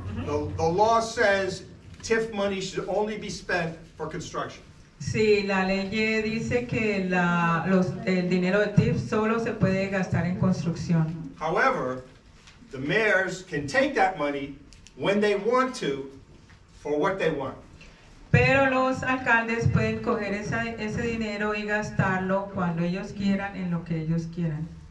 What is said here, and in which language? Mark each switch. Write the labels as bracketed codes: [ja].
[en] The law says TIF money should only be spent for construction. [es] Sí, la ley dice que el dinero de TIF solo se puede gastar en construcción. [en] However, the mayors can take that money when they want to for what they want. [es] Pero los alcaldes pueden coger ese dinero y gastarlo cuando ellos quieran en lo que ellos quieran.